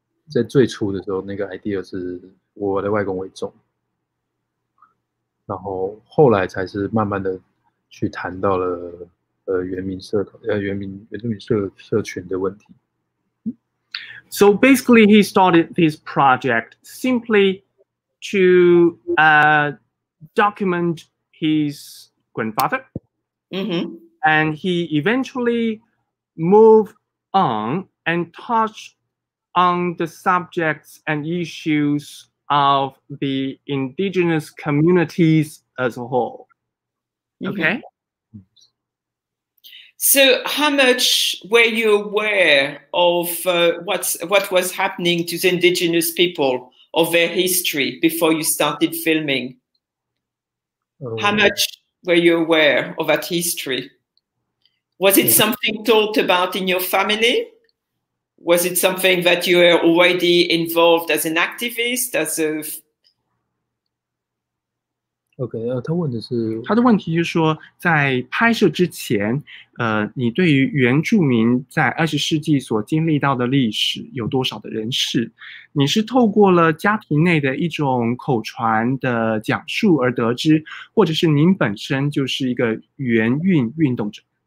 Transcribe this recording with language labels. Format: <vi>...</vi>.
<zh>在最初的时候，那个 idea 是我的外公为重，然后后来才是慢慢的去谈到了原住民社群的问题。So</zh> <en>basically, he started this project simply to document his grandfather, and he eventually moved on and touched on the subjects and issues of the indigenous communities as a whole. Okay? So how much were you aware of what was happening to the indigenous people, of their history, before you started filming? How much were you aware of that history? Was it something talked about in your family? Was it something that you were already involved as an activist, as a...</en> <zh>Okay, 他问的是... 他的问题就是说,在拍摄之前, 你对于原住民在20世纪所经历到的历史有多少的认识? 你是透过了家庭内的一种口传的讲述而得知, 或者是您本身就是一个原运动者?</zh>